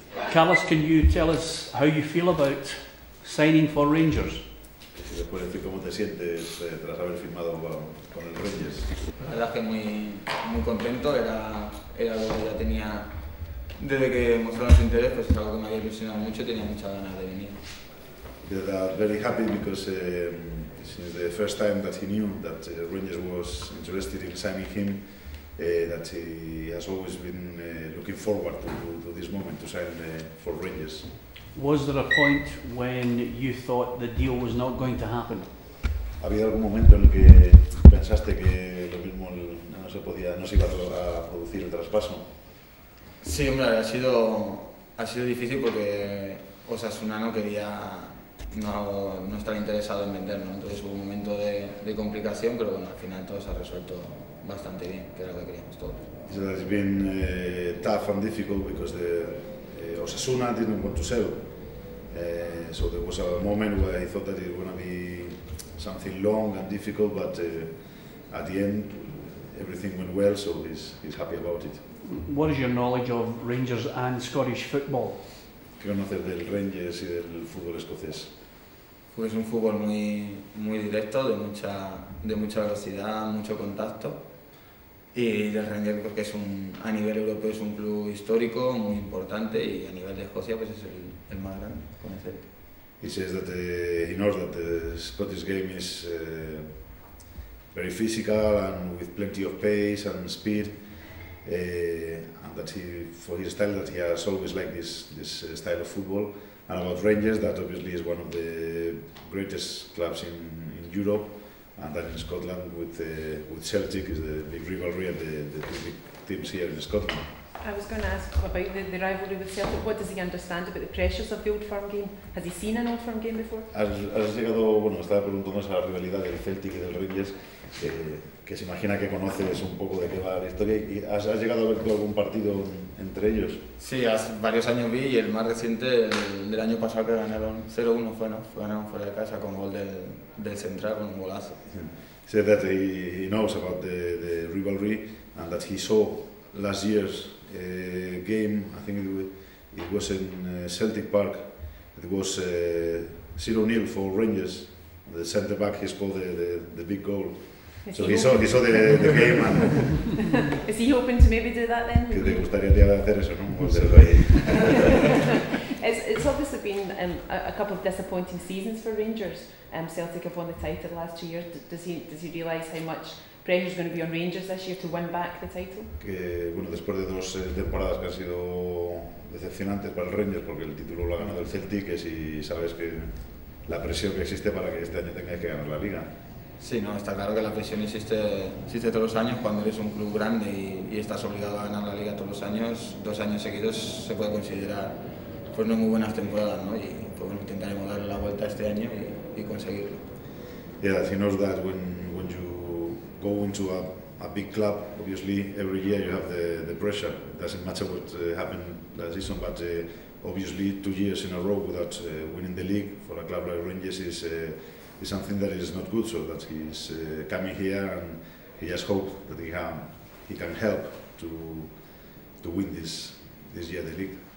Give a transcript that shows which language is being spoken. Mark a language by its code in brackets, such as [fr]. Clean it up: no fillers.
[en] Carlos, can you tell us how you feel about signing for Rangers? [es] Después decir cómo te sientes tras haber firmado con el Rangers. La verdad es que muy contento, era lo que ya tenía desde que mostraron su interés, pues es algo que me había impresionado mucho, tenía muchas ganas de venir. [en] We are very happy because since the first time that he knew that Rangers was interested in signing him, that he has always been looking forward to this moment to sign for Rangers. Was there a point when you thought the deal was not going to happen? [es] ¿Había algún momento en el que pensaste que lo mismo no se iba a producir el traspaso? Sí, hombre, ha sido difícil porque Osasuna no estaba interesado en venderlo, ¿no? Entonces hubo un momento de complicación, pero bueno, al final todo se ha resuelto bastante bien, que era lo que queríamos todos. [en] It has been tough and difficult because Osasuna didn't want to sell. So there was a moment where I thought that it was going to be something long and difficult, but at the end everything went well, so he's happy about it. What is your knowledge of Rangers and Scottish football? [es] ¿Qué conoces del Rangers y del fútbol escocés? Pues un fútbol muy directo, de mucha velocidad, mucho contacto. Y el Rangers, porque a nivel europeo es un club histórico muy importante, y a nivel de Escocia pues es el más grande, con el Celtic. [en] He says that he knows that the Scottish game is very physical and with plenty of pace and speed. And that he has always liked this style of football. And about Rangers, that obviously is one of the greatest clubs in Europe, and that in Scotland with Celtic is the big rivalry and the two big teams here in Scotland. I was going to ask about the rivalry with Celtic. What does he understand about the pressures of the Old Firm game? Has he seen an Old Firm game before? [es] Estaba preguntando esa rivalidad del Celtic y del Rangers. Que se imagina que conoces un poco de qué va la historia. ¿Has llegado a ver tú algún partido entre ellos? Sí, hace varios años vi, y el más reciente, del año pasado, que ganaron 0-1, fue, ¿no? Ganaron fuera de casa con gol del central, con un golazo. [en] Sí. He said that he knows about the rivalry, and that he saw last year's game, I think it was in Celtic Park, it was 0-0 for Rangers, the center back, he scored the big goal. So he saw the game, man. Is he hoping to maybe do that then? [es] Que te gustaría hacer eso, ¿no? [en] It's obviously been a couple of disappointing seasons for Rangers. Celtic have won the title the last 2 years. Does he realise how much pressure is going to be on Rangers this year to win back the title? [es] Que bueno, después de dos temporadas que han sido decepcionantes para el Rangers, porque el título lo ha ganado el Celtic, que si sabes que la presión que existe para que este año tengas que ganar la Liga. Sí, no, está claro que la presión existe todos los años. Cuando eres un club grande y estás obligado a ganar la Liga todos los años, dos años seguidos se puede considerar pues no muy buenas temporadas, ¿no? Y pues bueno, intentaremos darle la vuelta este año y conseguirlo. [en] Yeah, he knows that when you go into a big club, obviously every year you have the pressure. It doesn't matter what happened last season, but obviously 2 years in a row without winning the league for a club like Rangers is something that is not good, so that he's coming here and he has hope that he can help to win this year the league.